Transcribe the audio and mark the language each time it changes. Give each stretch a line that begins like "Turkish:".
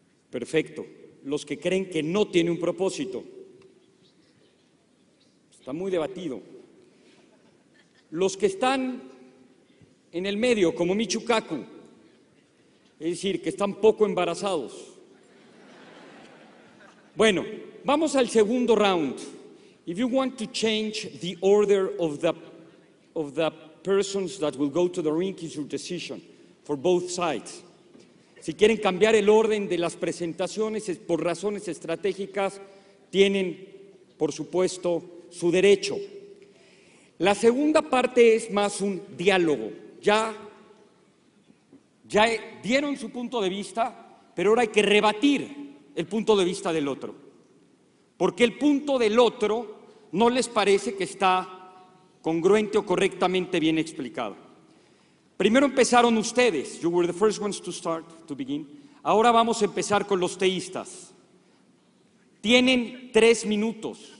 Spanish: Perfecto. Los que creen que no tiene un propósito. Está muy debatido. Los que están en el medio, como Michio Kaku, es decir, que están poco embarazados. Bueno, vamos al segundo round.
English: If you want to change the order of the persons that will go to the ring, it's your decision for both sides.
Spanish: Si quieren cambiar el orden de las presentaciones por razones estratégicas, tienen, por supuesto, su derecho. La segunda parte es más un diálogo. Ya dieron su punto de vista, pero ahora hay que rebatir el punto de vista del otro. Porque el punto del otro no les parece que está congruente o correctamente bien explicado. Primero empezaron ustedes.
English: You were the first ones to start, to begin.
Spanish: Ahora vamos a empezar con los teístas. Tienen 3 minutos.